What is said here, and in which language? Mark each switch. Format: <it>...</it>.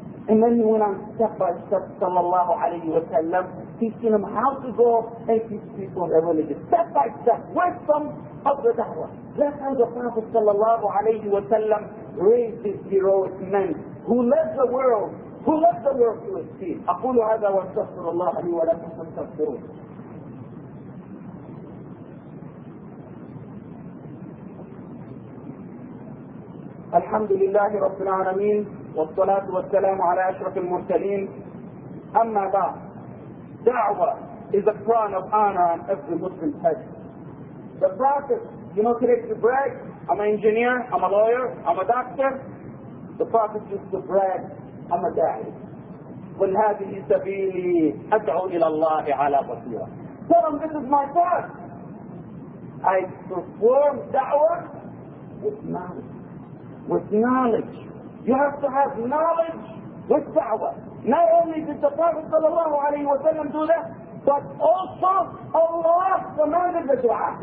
<en>And then he went on step by step, sallallahu alayhi wa sallam, teaching him how to go and teach people their religion. Step by step, wisdom of the da'wah. That's how the Prophet sallallahu alayhi wa sallam raised his heroic men who led the world, who led the world to his feet.</en> <ar>أقول هذا واستغفر الله لي ولكم فاستغفروه. الحمد لله رب العالمين والصلاة والسلام على أشرف المرسلين. أما بعد,</ar> <en>da'wah is a crown of honor on every Muslim's head. The Prophet, you know, today to brag, I'm an engineer, I'm a lawyer, I'm a doctor. The Prophet used to brag, I'm a da'i.</en> <ar>قل هذه سبيلي أدعو إلى الله على بصيرة.</ar> <en>Tell him this is my path. I perform da'wah with knowledge. With knowledge. You have to have knowledge with da'wah. Not only did the Prophet sallallahu alayhi wa sallam do that, but also Allah commanded the du'a.</en>